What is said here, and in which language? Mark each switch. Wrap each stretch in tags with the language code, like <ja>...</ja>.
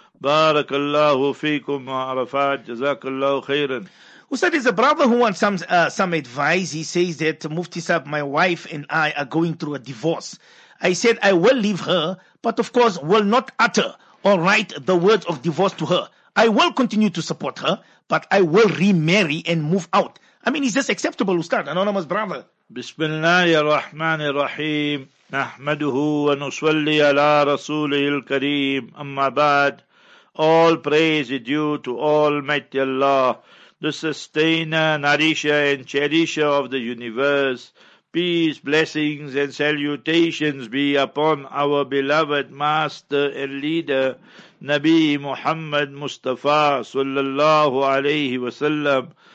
<ar>بارك الله فيكم عرفات جزاك الله خيرا.</ar> <en>Ustad, is a brother who wants some advice. He says that Mufti Saab, my wife and I are going through a divorce. I said I will leave her, but of course will not utter or write the words of divorce to her. I will continue to support her, but I will remarry and move out. I mean, is this acceptable, Ustad, anonymous brother?</en> <ar>بسم الله الرحمن الرحيم نحمده ونصلي على رسوله الكريم أما بعد.</ar> <en>All praise is due to Almighty Allah, the sustainer, nourisher, and cherisher of the universe. Peace, blessings, and salutations be upon our beloved master and leader, Nabi Muhammad Mustafa sallallahu alayhi wa sallam.</en>